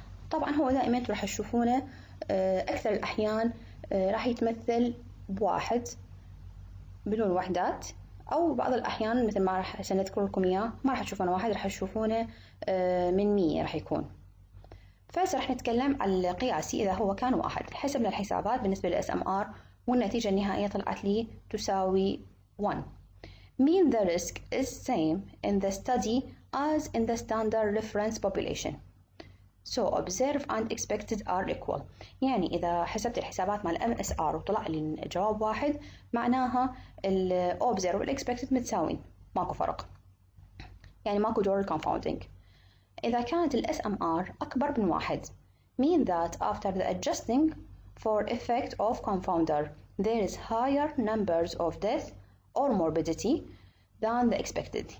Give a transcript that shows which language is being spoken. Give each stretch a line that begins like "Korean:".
Arabic: طبعا هو دائما راح تشوفونه اكثر الاحيان راح يتمثل بواحد بدون وحدات، او بعض الاحيان مثل ما راح سنذكر لكم اياه ما راح تشوفونه واحد، راح تشوفونه من 100 راح يكون. فهسه راح نتكلم على القياسي اذا هو كان واحد. حسبنا الحسابات بالنسبه للاس ام ار والنتيجه النهائيه طلعت لي تساوي 1.
English: Mean the risk is same in the study as in the standard reference population. So observed and expected are equal.
Arabic: يعني إذا حسبت الحسابات مع الـ MSR وطلع لي جواب واحد، معناها الـ observed والـ expected متساوين، ماكو فرق، يعني ماكو دور الـ confounding. إذا كانت الـ SMR أكبر من واحد،
English: mean that after the adjusting for effect of confounder there is higher numbers of death or morbidity than the expected.